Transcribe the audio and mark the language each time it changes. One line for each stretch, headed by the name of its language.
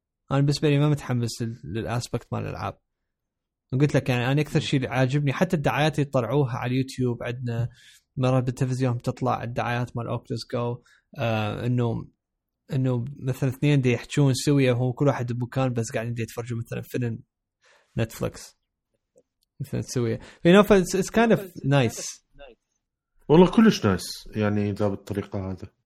Arabic: انا بس بالي ما متحمس للاسبكت مال الالعاب. قلت لك يعني انا اكثر شيء عاجبني حتى الدعايات اللي طلعوها على اليوتيوب، عندنا مرات بالتلفزيون تطلع الدعايات مال اوكتوس جو، انه مثلا اثنين دي يحكون سوية هو كل واحد بمكان بس قاعدين دي يتفرجوا مثلا فيلم نتفلكس مثلا سوية.
English: You know, it's kind of nice.
Arabic: والله كلش نايس يعني اذا بالطريقة هذا.